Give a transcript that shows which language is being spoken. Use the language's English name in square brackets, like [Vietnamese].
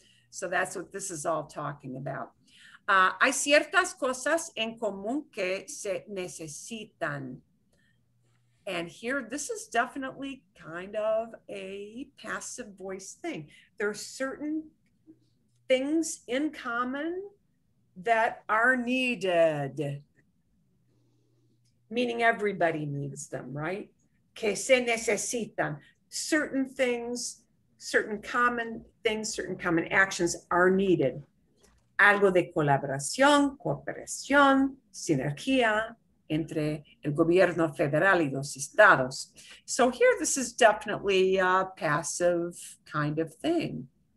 [English] So that's what this is all talking about. [Spanish] Hay ciertas cosas en común que se necesitan. [English] And here, this is definitely kind of a passive voice thing. There are certain things in common that are needed, meaning everybody needs them, right? [Spanish] Que se necesitan. [English] Certain things, certain common actions are needed. [Spanish] Algo de colaboración, cooperación, sinergia entre el gobierno federal y los estados. [English] So here, this is definitely a passive kind of thing.